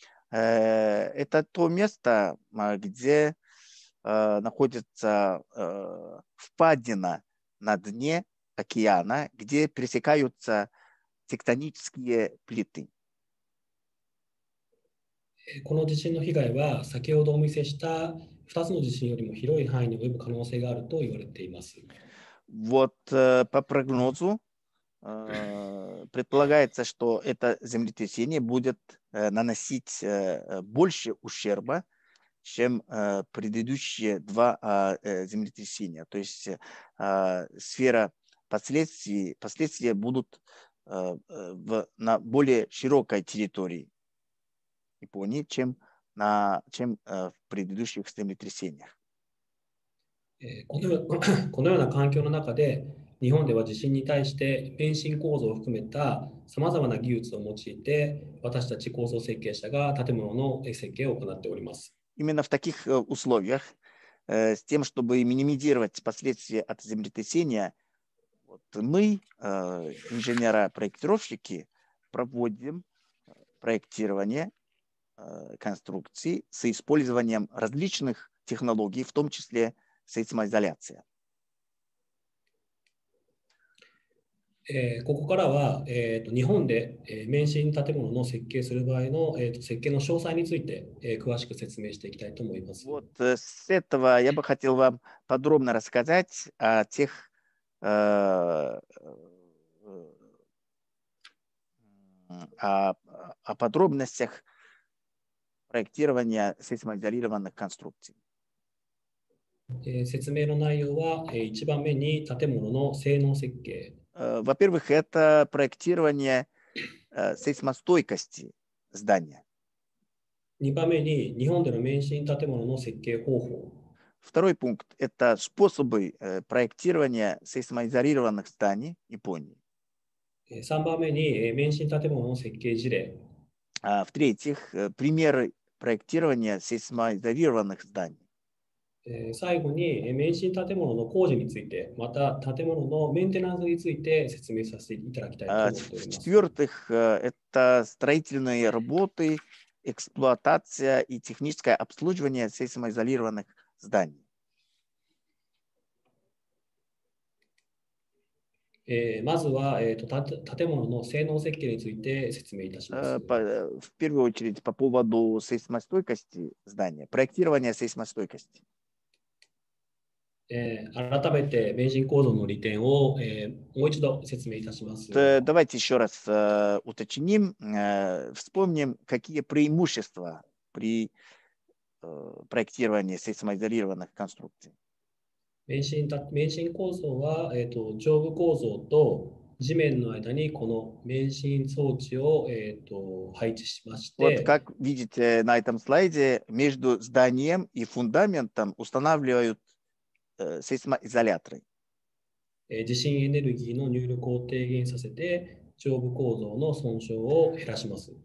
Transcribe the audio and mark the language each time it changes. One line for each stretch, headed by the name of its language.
Russian: Это то место, где находится впадина на дне океана, где пересекаются тектонические плиты.
Japanese: この地震の被害は先ほどお見せした2つの地震よりも広い範囲に及ぶ可能性があると言われています。
Russian: Вот по прогнозу предполагается, что это землетрясение будет наносить больше ущерба, чем предыдущие два землетрясения. То есть сфера последствия будут на более широкой территории Японии, чем в предыдущих землетрясениях.
Japanese: このような環境の中で日本では地震に対して免震構造を含めたさまざまな技術を用いて私たち構造設計者が建物の設計を行っております。
Russian: Именно в таких условиях, с тем, чтобы минимизировать последствия от землетрясения, вот мы, инженеры-проектировщики, проводим проектирование конструкции с использованием различных технологий, в том числе сейсмоизоляция.
Japanese: ここからは、日本で、免震建物の設計する場合の、設計の詳細について、詳しく説明していきたいと思います。
Russian: Вот, с этого я бы хотел вам подробно рассказать о тех, о подробностях проектирования сейсмоизолированных конструкций.
Japanese: 説明の内容は、1番目に建物の性能設計。
Russian: Во-первых, это проектирование сейсмостойкости здания.
Japanese: 2番目に日本での免震建物の設計方法。
Russian: Второй пункт – это способы проектирования сейсмоизолированных зданий Японии.
Japanese: 3番目に免震建物の設計事例。
Russian: В-третьих, примеры проектирования сейсмоизолированных зданий.
Japanese: 最後に免震建物の工事についてまた建物のメンテナンスについて説明させていただきたいと思っております。
Russian: В-четвертых, это строительные работы, эксплуатация и техническое обслуживание сейсмоизолированных зданий.
Japanese: まずは、建物の性能設計について説明いたします。
Russian: В первую очередь, по поводу сейсмостойкости здания, проектирования сейсмостойкости.
Japanese: 改めて免震構造の利点を、もう一度説明いたします。
Russian: Давайте еще раз уточним, вспомним, какие преимущества при проектировании сейсмоизолированных конструкций.
Japanese: 免震構造は、上部構造と地面の間にこの免震装置を、配置しまして。
Russian: Вот как видите на этом слайде, между зданием и фундаментом устанавливаютSeismoizolatory.
Japanese: 地震エネルギーの入力を低減させて上部構造の損傷を減らします。